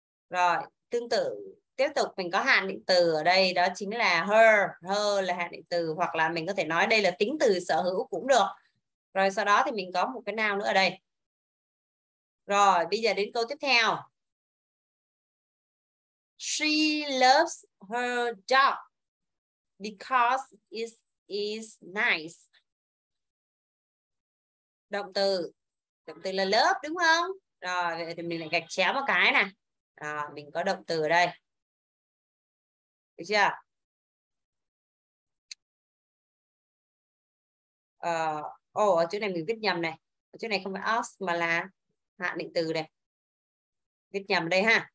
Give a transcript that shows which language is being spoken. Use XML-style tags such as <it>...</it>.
<vi>Rồi tương tự tiếp tục mình có hạn định từ ở đây, đó chính là her, her là hạn định từ, hoặc là mình có thể nói đây là tính từ sở hữu cũng được. Rồi sau đó thì mình có một cái noun nữa ở đây. Rồi, bây giờ đến câu tiếp theo.</vi> <en>She loves her dog because it is nice.</en> <vi>Động từ là love đúng không? Rồi, vậy thì mình lại gạch chéo một cái này. Rồi, mình có động từ ở đây. Được chưa? Ở chỗ này mình viết nhầm này. Ở chỗ này không phải os mà là hạ định từ này. Viết nhầm đây ha.</vi>